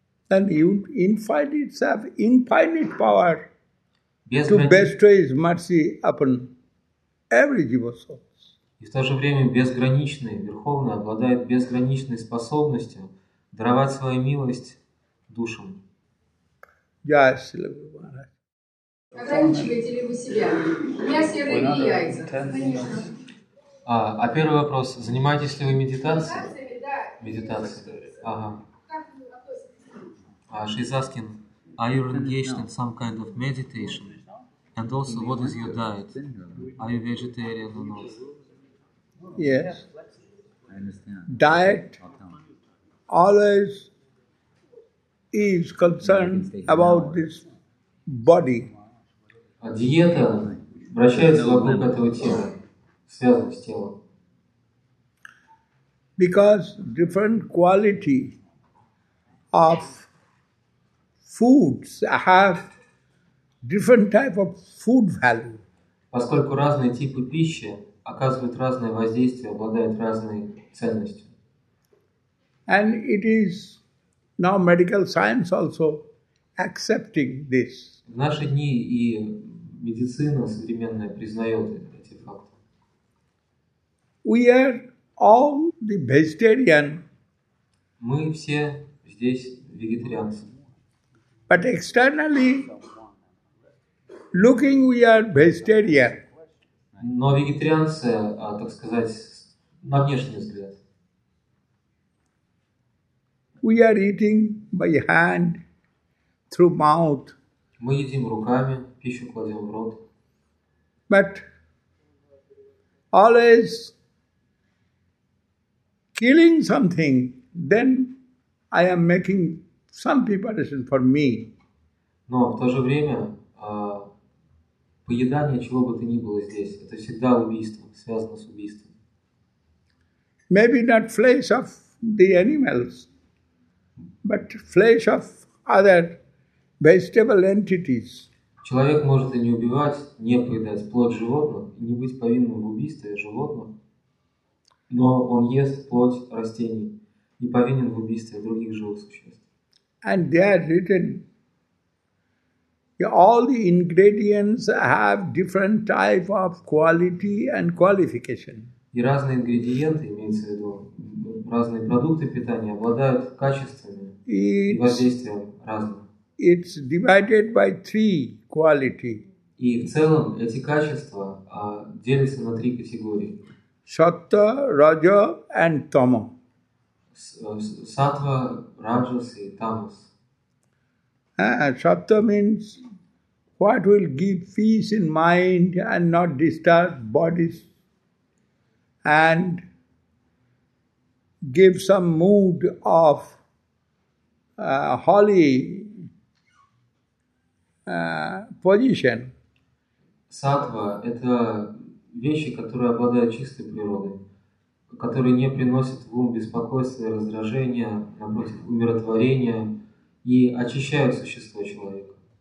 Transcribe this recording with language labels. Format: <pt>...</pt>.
<en>And infinite have infinite power to bestow his mercy upon every jiva soul.</en> <ru>И в то же время безграничный, верховный, обладает безграничной способностью даровать свою милость душам.</ru> <en>Yes, Lord.</en> <ru>Ограничиваете ли вы себя? У меня серые яйца. Конечно. А первый вопрос. Занимаетесь ли вы медитацией? Медитацией, да. Медитацией. Ага.</ru> <en>She's asking, are you engaged in some kind of meditation? And also, what is your diet? Are you vegetarian or not? Yes. Diet always is concerned about this body.</en> <ru>А диета обращается вокруг этого тела, связана с телом.</ru> <en>Because different quality of foods have different type of food value.</en> <ru>Поскольку разные типы пищи оказывают разное воздействие, обладают разной ценностью.</ru> <en>And it is now medical science also accepting this.</en> <ru>В наши дни и медицина современная признает эти факты.</ru> <en>We are all the vegetarian.</en> <ru>Мы все здесь вегетарианцы.</ru> <en>But externally, looking, we are vegetarian.</en> <ru>Но вегетарианцы, так сказать, на внешний взгляд.</ru> <en>We are eating by hand, through mouth.</en> <ru>Мы едим руками, пищу кладем в рот.</ru> <en>But always killing something, then I am making some preparation for me.</en> <ru>Но в то же время поедание чего бы то ни было здесь, это всегда убийство, связано с убийством.</ru> <en>Maybe not flesh of the animals, but flesh of other vegetable entities.</en> <ru>Человек может и не убивать, не поедать плоть животных, и не быть повинным в убийстве животных, но он ест плоть растений и повинен в убийстве других живых существ.</ru> <en>And they are written, all the ingredients have different type of quality and qualification.</en> <ru>И разные ингредиенты, имеется в виду, разные продукты питания обладают качествами и воздействием разным.</ru> <en>It's divided by three quality.</en> <ru>И в целом эти качества делятся на три категории.</ru> <en>Сатва, раджа and тама.</en> <ru>Сатва, раджас и тамас.</ru> <en>Сатва means what will give peace in mind and not disturb bodies and give some mood of holy position.</en> <ru>Сатва – это вещи, которые обладают чистой природой, которые не приносят в ум беспокойства и раздражения, напротив, умиротворения и очищают существо человека.</ru>